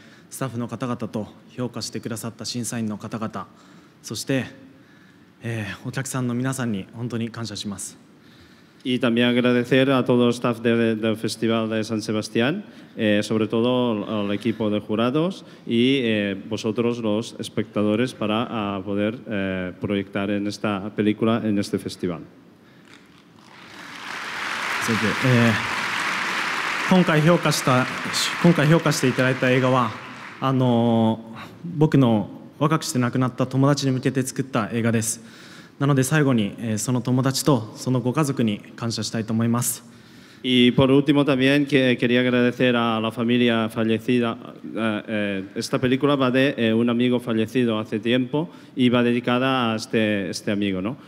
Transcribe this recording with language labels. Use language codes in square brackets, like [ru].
[ja] スタッフの方々と評価してくださった審査員の方々、そして、お客さんの皆さんに本当に感謝します。 [es] Y también agradecer a todo el staff del Festival de San Sebastián, sobre todo al equipo de jurados y vosotros los espectadores para poder proyectar en esta película en este festival. Sí, que, [ja] 今回評価していただいた映画は僕の若くして亡くなった友達に向けて作った映画です。なので最後にその友達とそのご家族に感謝したいと思います。 [es] Y por último también quería agradecer a la familia fallecida. Esta película va de un amigo fallecido hace tiempo y va dedicada a este amigo, ¿no?